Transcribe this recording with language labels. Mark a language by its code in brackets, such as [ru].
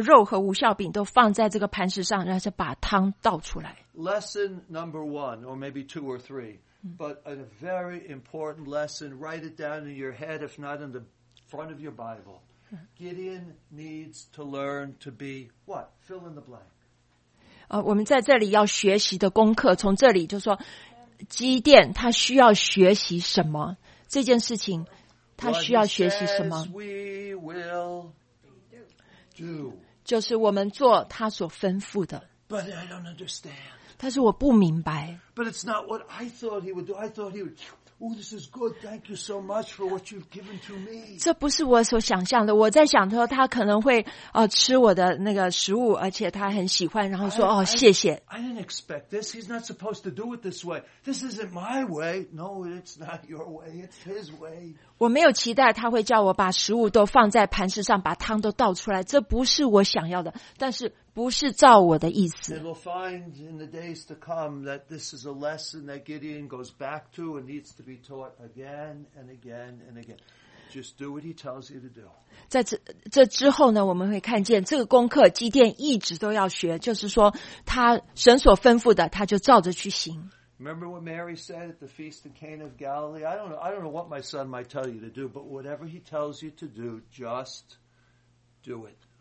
[zh] 但是神的使者却叫他把这肉和无酵饼都放在这个磐石上, 然后把汤倒出来。 [en] Lesson number one, or maybe two or three, but a very important lesson. Write it down in your head, if not in the front of your Bible. Gideon needs to learn to be what? Fill in the blank. [zh] 我们在这里要学习的功课从这里就说, 基甸他需要学习什么? 这件事情他需要学习什么? [en] What he says we will do. [zh] 就是我们做他所吩咐的。 [en] But I don't understand. [zh] 但是我不明白。 [en] But it's not what I thought he would do. I thought he would, oh, this is good. Thank you so much for what you've given to me. [zh] 这不是我所想象的。我在想说他可能会, 吃我的那个食物, 而且他很喜欢, 然后说, 哦, 谢谢。 [en] I didn't expect this. He's not supposed to do it this way. This isn't my way. No, it's not your way. It's his way. [zh] 我没有期待他会叫我把食物都放在磐石上, 把汤都倒出来, 这不是我想要的, 但是不是照我的意思。 [en] And we'll find in the days to come that this is a lesson that Gideon goes back to and needs to be taught again and again and again. Just do what he tells you to do. [zh] 在这之后呢, 我们会看见, 这个功课基甸一直都要学, 就是说, 他神所吩咐的, 他就照着去行。 [en] Remember what Mary said at the feast in Cana of Galilee? I don't know what my son might tell you to do, but whatever he tells you to do, just do it.